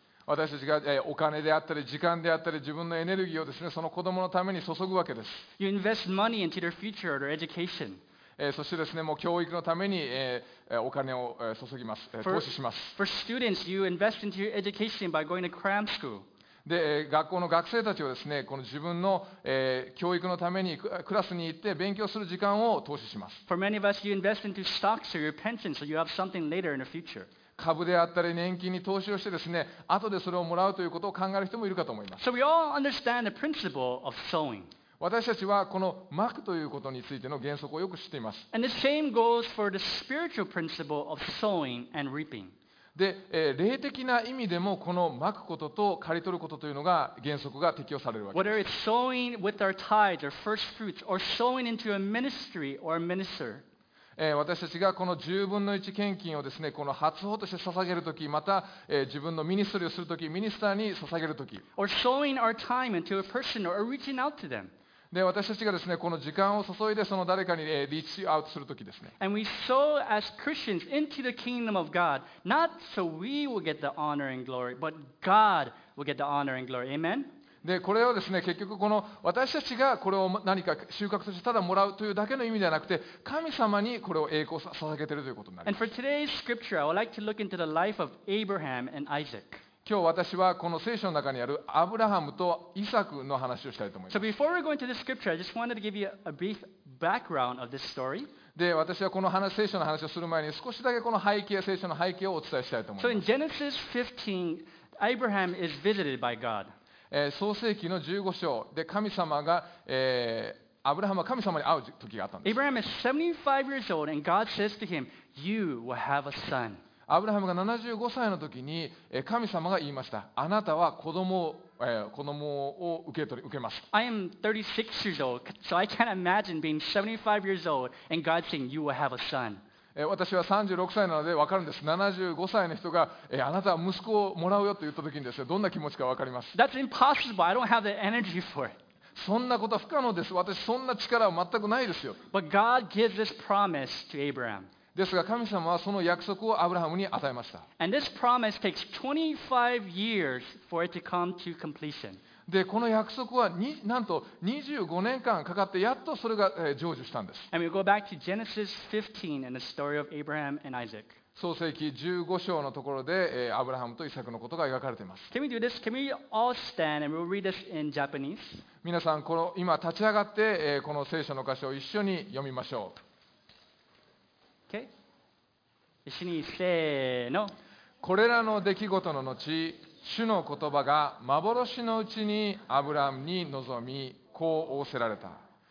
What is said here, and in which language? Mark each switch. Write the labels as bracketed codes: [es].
[ja] 私たちがお金であったり時間であったり自分のエネルギーをですね、その子供のために注ぐわけです。 [en] You invest money into their future or their education. [ja] そしてですね、もう教育のために、お金を注ぎます、投資します。 [en] For students, you invest into your education by going to cram school. [ja] で、学校の学生たちはですね、この自分の、教育のためにクラスに行って勉強する時間を投資します。 [en] For many of us, you invest into stocks or your pension so you have something later in the future. [ja] 株であったり年金に投資をしてですね、後でそれをもらうということを考える人もいるかと思います。 [en] So we all understand the principle of sowing. [ja] 私たちはこの蒔くということについての原則をよく知っています。 [en] And the same goes for the spiritual principle of sowing and reaping. [ja] で、霊的な意味でもこの蒔くことと刈り取ることというのが原則が適用されるわけです。 [en] Whether it's sowing with our tithes or first fruits or sowing into a ministry or a minister. [ja] 私たちがこの10分の1献金をですね、この初穂として捧げるとき、また、自分のミニストリーをするとき、ミニスターに捧げるとき、 [en] or sowing our time into a person or reaching out to them. [ja] で、私たちがですね、この時間を注いでその誰かに、リーチアウトするときですね。 [en] And we sow as Christians into the kingdom of God, not so we will get the honor and glory, but God will get the honor and glory. Amen? [ja] でこれはですね、結局この私たちがこれを何か収穫としてただもらうというだけの意味ではなくて、神様にこれを栄光を捧げているということになります。 [en] And for today's scripture, I would like to look into the life of Abraham and Isaac. [ja] 今日私はこの聖書の中にあるアブラハムとイサクの話をしたいと思います。 [en] So before we go into this scripture, I just wanted to give you a brief background of this story. [ja] で私はこの話、聖書の話をする前に少しだけこの背景、聖書の背景をお伝えしたいと思います。 [en] So in Genesis 15, Abraham is visited by God. [ja] 創世記の15章で神様が、アブラハムは神様に会う時があったんです。 [en] Abraham is 75 years old and God says to him, "You will have a son." [ja] アブラハムが75歳の時に神様が言いました。あなたは子供を受けます。 [en] I am 36 years old, so I can't imagine being 75 years old and God saying, "You will have a son." [ja] 私は36歳なので分かるんです。75歳の人が、あなたは息子をもらうよと言った時にですね、どんな気持ちか分かります。 [en] That's impossible. I don't have the energy for it. [ja] そんなことは不可能です。私そんな力は全くないですよ。 [en] But God gives this promise to Abraham. [ja] ですが神様はその約束をアブラハムに与えました。 [en] And this promise takes 25 years for it to come to completion. [ja] でこの約束はなんと25年間かかってやっとそれが成就したんです。 [en] And we go back to Genesis 15 and the story of Abraham and Isaac. [ja] 創世記15章のところで、アブラハムとイサクのことが描かれています。 [en] Can we do this? Can we all stand and we'll read this in Japanese? [ja] 皆さんこの今立ち上がって、この聖書の箇所を一緒に読みましょう。 Okay. 一緒にせーの。これらの出来事の後、主の言葉が幻のうちにアブラムに臨み、こう仰せられた。